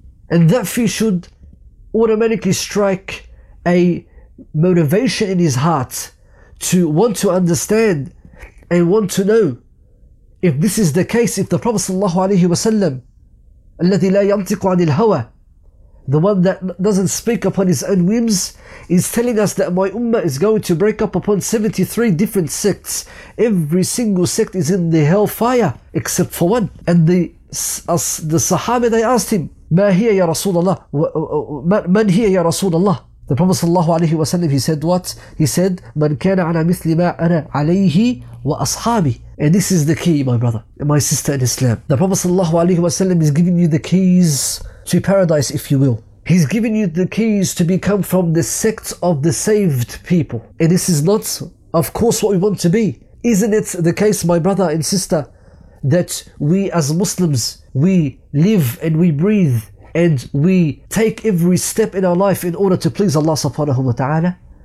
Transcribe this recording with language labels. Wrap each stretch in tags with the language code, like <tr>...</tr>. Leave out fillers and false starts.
<en>And that fear should automatically strike a motivation in his heart to want to understand and want to know if this is the case, if the Prophet sallallahu alayhi wa sallam,</en> <ar>الَّذِي لَا يَنْطِقُ عَنِ الْهَوَى,</ar> <en>the one that doesn't speak upon his own whims, is telling us that my ummah is going to break up upon 73 different sects. Every single sect is in the hellfire except for one. And the Sahaba, they asked him,</en> <ar>ما هي يا رسول الله</ar> <en>من هي يا رسول الله. The Prophet sallallahu alayhi wa sallam, he said what? He said,</en> <ar>من كان على مثل ما أنا عليه وأصحابي.</ar> <en>And this is the key, my brother, my sister in Islam. The Prophet sallallahu alayhi wa sallam is giving you the keys to paradise, if you will. He's giving you the keys to become from the sect of the saved people. And this is not, of course, what we want to be. Isn't it the case, my brother and sister, that we as Muslims, we live and we breathe and we take every step in our life in order to please Allah subhanahu wa ta'ala?</en>